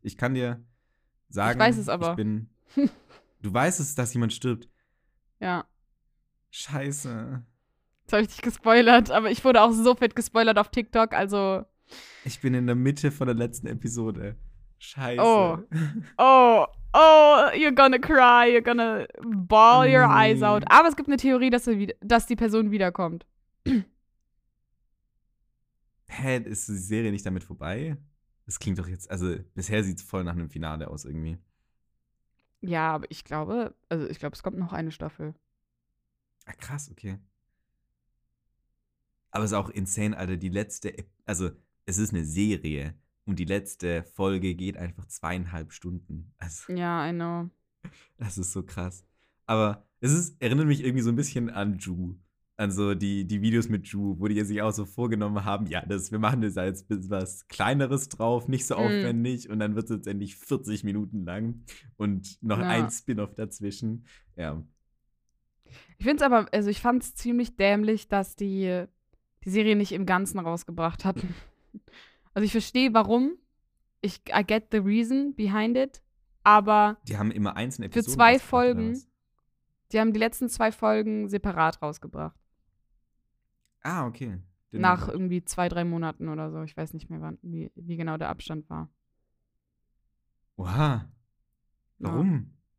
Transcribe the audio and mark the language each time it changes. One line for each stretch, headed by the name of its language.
German: Ich kann dir sagen, ich weiß es aber. Ich bin. Du weißt es, dass jemand stirbt. Ja. Scheiße. Jetzt habe ich dich gespoilert, aber ich wurde auch so fett gespoilert auf TikTok, also. Ich bin in der Mitte von der letzten Episode. Scheiße. Oh. Oh.
English: Oh, you're gonna cry, you're gonna bawl your eyes out.
German: Aber es gibt eine Theorie, dass die Person wiederkommt. Hä, ist die Serie nicht damit vorbei? Das klingt doch jetzt, also bisher sieht es voll nach einem Finale aus irgendwie. Ja, aber ich glaube, es kommt noch eine Staffel. Ah, krass, okay. Aber es ist auch insane, Alter, die letzte, also es ist eine Serie und die letzte Folge geht einfach 2,5 Stunden. Also,
English: ja, I know.
German: Das ist so krass. Aber erinnert mich irgendwie so ein bisschen an Ju. Also die Videos mit Ju, wo die sich auch so vorgenommen haben, ja, wir machen das als was Kleineres drauf, nicht so aufwendig. Und dann wird es letztendlich 40 Minuten lang und noch ein Spin-off dazwischen. Ja. Ich finde es aber, also ich fand es ziemlich dämlich, dass die Serie nicht im Ganzen rausgebracht hatten. Also ich verstehe, warum.
English: I get the reason behind it.
German: Aber die haben immer einzelne Episoden für zwei Folgen. Die haben die letzten zwei Folgen separat rausgebracht. Ah, okay. Nach irgendwie 2-3 Monaten oder so. Ich weiß nicht mehr, wann, wie genau der Abstand war. Oha. Warum?